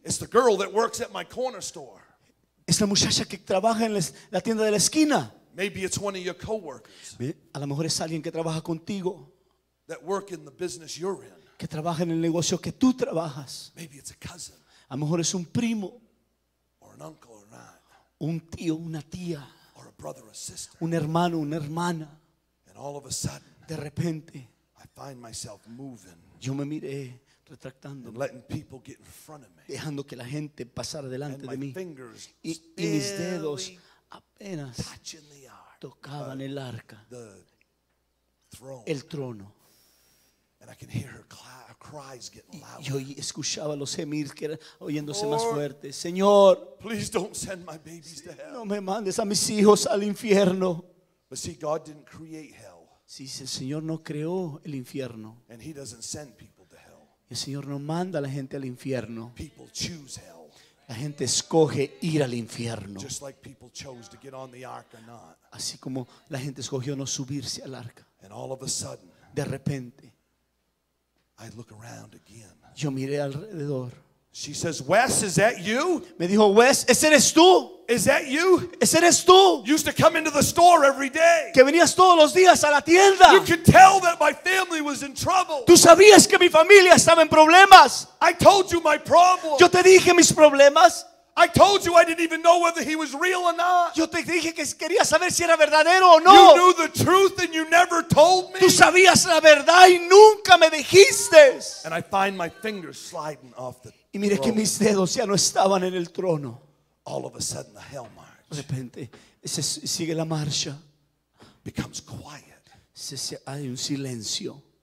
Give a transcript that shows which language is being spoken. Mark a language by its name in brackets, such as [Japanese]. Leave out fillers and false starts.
[English] It's the girl that works at my corner store. [Spanish] Es la muchacha que trabaja en la tienda de la esquina. [English] Maybe it's one of your coworkers. [Spanish] A lo mejor es alguien que trabaja contigo. [English] That work in the business you're in. [Spanish] Que trabaja en el negocio que tú trabajas. [English] Maybe it's a cousin. [Spanish] A lo mejor es un primo. [English] Or an uncle or not. [Spanish] Un tío, una tía. [English] Or a brother or sister. [Spanish] Un hermano, una hermana. [English] And all of a sudden. [Spanish] De repente. [English] I find myself moving. [Spanish] Yo me miré. And [English] letting people get in front of me. [Spanish] Dejando que la gente pasara delante de mí. [English] And my fingers [Spanish] y mis dedos apenas [English] touching the ark, [Spanish] tocaban el arca. [English] The throne. [Spanish] El trono. [English] And I can hear her cries getting louder. [Spanish] Y yo escuchaba los gemidos que eran oyéndose más fuertes. Señor, [English] please don't send my babies to hell. [Spanish] No me mandes a mis hijos al infierno. [English] But see, God didn't create hell. [Spanish] Sí, el Señor no creó el infierno. [English] And he doesn't send people. [Spanish] El Señor no manda a la gente al infierno. [English] People choose hell. [Spanish] La gente escoge ir al infierno. [English] Just like people chose to get on the ark or not. [Spanish] Así como la gente escogió no subirse al arca. [English] And all of a sudden, [Spanish] de repente, [English] I look around again. [Spanish] Yo miré alrededor. [English] She says, Wes, is that you? [Spanish] Me dijo, Wes, ¿ese eres tú? [English] Is that you? [Spanish] ¿Ese eres tú? [English] You used to come into the store every day. [Spanish] Que venías todos los días a la tienda. [English] You could tell that my family was in trouble. [Spanish] Tú sabías que mi familia estaba en problemas. [English] I told you my problem. [Spanish] Yo te dije mis problemas. [English] I told you I didn't even know whether he was real or not. [Spanish] Yo te dije que quería saber si era verdadero o no. [English] You knew the truth and you never told me. [Spanish] Tú sabías la verdad y nunca me dijiste. [English] And I find my fingers sliding off the [Spanish] y mire que mis dedos ya no estaban en el trono. [English] All of a sudden the hell march. [Spanish] De repente sigue la marcha. [English] Becomes quiet. [Spanish] Hay un silencio.